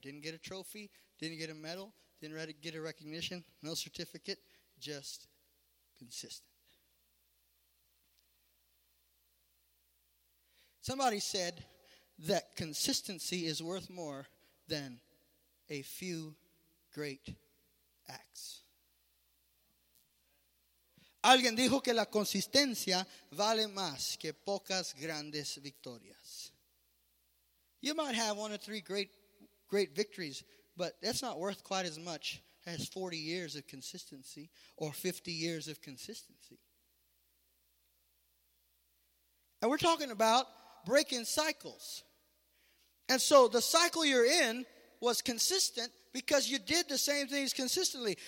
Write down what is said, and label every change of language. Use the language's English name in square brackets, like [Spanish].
[English] Didn't get a trophy, didn't get a medal, didn't get a recognition, no certificate, just consistent. Somebody said that consistency is worth more than a few great acts. [Spanish] Alguien dijo que la consistencia vale más que pocas grandes victorias. [English] You might have one or three great victories, but that's not worth quite as much as 40 years of consistency or 50 years of consistency. And we're talking about breaking cycles. And so the cycle you're in was consistent because you did the same things consistently.